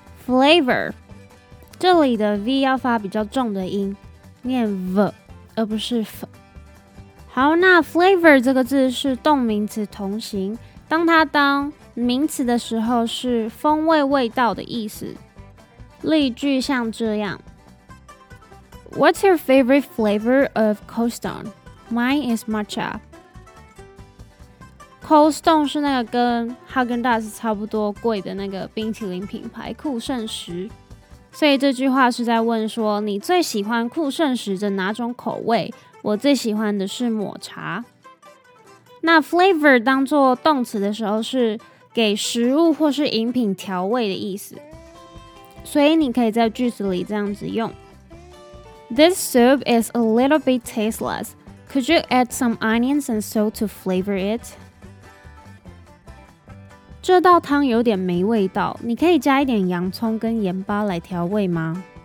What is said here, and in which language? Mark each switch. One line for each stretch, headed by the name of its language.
Chinese: Flavor 这里的 V 要发比较重的音，念 V 而不是 F。好，那 flavor 这个字是动名词同形，当它当名词的时候是风味味道的意思。例句像这样，
English: What's your favorite flavor of Cold Stone? Mine is matcha。
Chinese: Cold Stone 是那个跟 Häagen-Dazs 差不多贵的那个冰淇淋品牌酷盛石，所以这句话是在问说你最喜欢酷盛石的哪种口味。我最喜欢的是抹茶。那 flavor 当作动词的时候是给食物或是饮品调味的意思，所以你可以在句子里这样子用，
English: This soup is a little bit tasteless. Could you add some onions and salt to flavor it?
Chinese: 这道汤有点没味道，你可以加一点洋葱跟盐巴来调味吗？